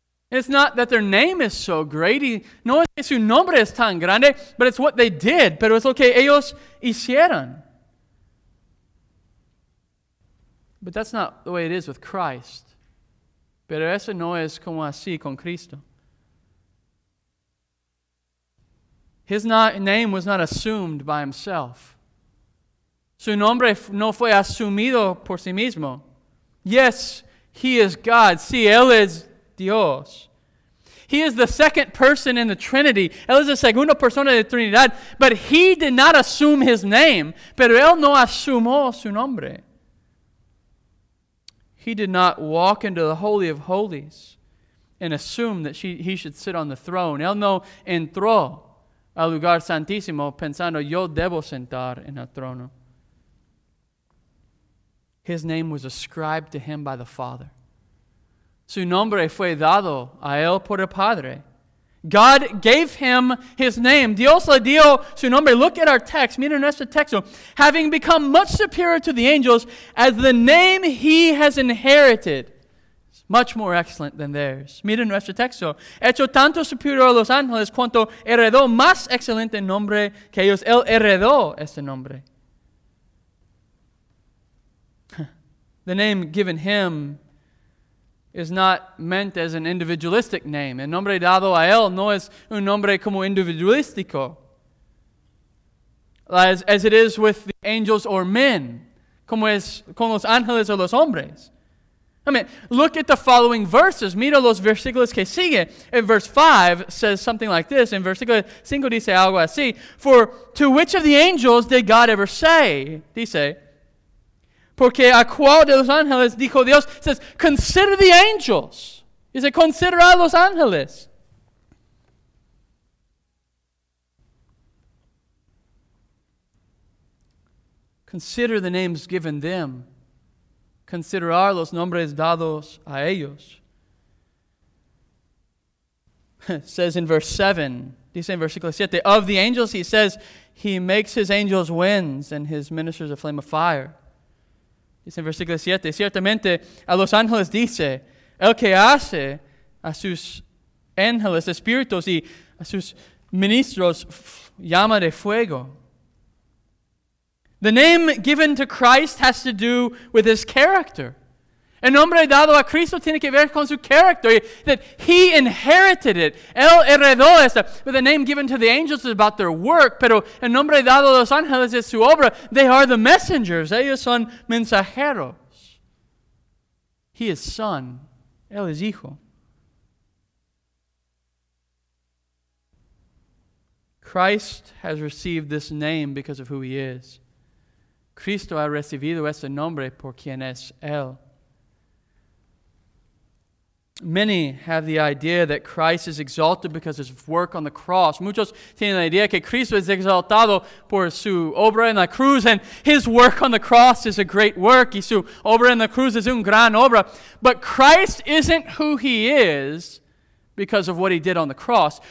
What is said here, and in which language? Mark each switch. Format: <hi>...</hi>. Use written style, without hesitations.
<en>It's not that their name is so great.</en> <es>No es que su nombre es tan grande,</es> <en>but it's what they did.</en> <es>Pero es lo que ellos hicieron.</es> <en>But that's not the way it is with Christ.</en> <es>Pero eso no es como así con Cristo.</es> <en>His name was not assumed by himself.</en> <es>Su nombre no fue asumido por sí mismo.</es> <en>Yes, he is God.</en> <es>Sí, él es Dios.</es> <en>He is the second person in the Trinity.</en> <es>Él es la segunda persona de la Trinidad.</es> <en>But he did not assume his name.</en> <es>Pero él no asumió su nombre.</es> <en>He did not walk into the Holy of Holies and assume that he should sit on the throne.</en> <es>Él no entró al lugar santísimo pensando, yo debo sentar en el trono.</es> <en>His name was ascribed to him by the Father.</en> <es>Su nombre fue dado a él por el Padre.</es> <en>God gave him his name.</en> <es>Dios le dio su nombre.</es> <en>Look at our text.</en> <es>Mira nuestro texto.</es> <en>Having become much superior to the angels, as the name he has inherited is much more excellent than theirs.</en> <es>Mira nuestro texto. Hecho tanto superior a los ángeles, cuanto heredó más excelente nombre que ellos. Él heredó este nombre.</es> <en>The name given him is not meant as an individualistic name.</en> <es>El nombre dado a él no es un nombre como individualístico.</es> <en>As it is with the angels or men.</en> <es>Como es con los ángeles o los hombres.</es> <en>I mean, look at the following verses.</en> <es>Mira los versículos que sigue.</es> <en>In verse 5 says something like this. In</en> <es>versículo 5 dice algo así.</es> <en>For to which of the angels did God ever say?</en> <es>Dice, porque a cual de los ángeles dijo Dios,</es> <en>says, consider the angels. He said, consider</en> <es>a los ángeles.</es> <en>Consider the names given them. Consider</en> <es>los nombres dados a ellos.</es> <en>Says in verse 7,</en> <es>dice en versículo 7,</es> <en>of the angels, he says, he makes his angels winds and his ministers a flame of fire.</en> <es>Dice en versículo 7, ciertamente a los ángeles dice, el que hace a sus ángeles espíritus y a sus ministros llama de fuego.</es> <en>The name given to Christ has to do with his character.</en> <es>El nombre dado a Cristo tiene que ver con su character,</es> <en>that he inherited it.</en> <es>Él heredó esto.</es> <en>But the name given to the angels is about their work,</en> <es>pero el nombre dado a los ángeles es su obra.</es> <en>They are the messengers.</en> <es>Ellos son mensajeros.</es> <en>He is son.</en> <es>Él es hijo.</es> <en>Christ has received this name because of who he is.</en> <es>Cristo ha recibido ese nombre por quien es él.</es> <en>Many have the idea that Christ is exalted because of his work on the cross.</en> <es>Muchos tienen la idea que Cristo es exaltado por su obra en la cruz,</es> <en>and his work on the cross is a great work,</en> <es>y su obra en la cruz es un gran obra.</es> <en>But Christ isn't who he is because of what he did on the cross.</en>